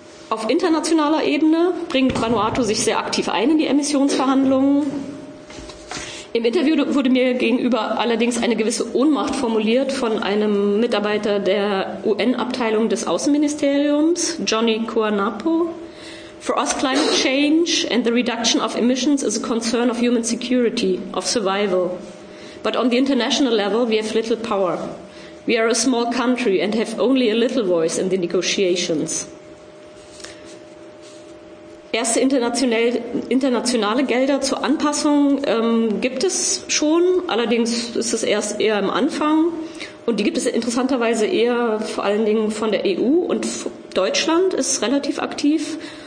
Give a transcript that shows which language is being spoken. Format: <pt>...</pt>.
<de>Auf internationaler Ebene bringt Vanuatu sich sehr aktiv ein in die Emissionsverhandlungen. Im Interview wurde mir gegenüber allerdings eine gewisse Ohnmacht formuliert von einem Mitarbeiter der UN-Abteilung des Außenministeriums, Johnny Kuanapo.</de> <en>For us, climate change and the reduction of emissions is a concern of human security, of survival. But on the international level, we have little power. We are a small country and have only a little voice in the negotiations.</en> <de>Erste internationale Gelder zur Anpassung gibt es schon, allerdings ist es erst eher am Anfang. Und die gibt es interessanterweise eher vor allen Dingen von der EU und Deutschland ist relativ aktiv.</de>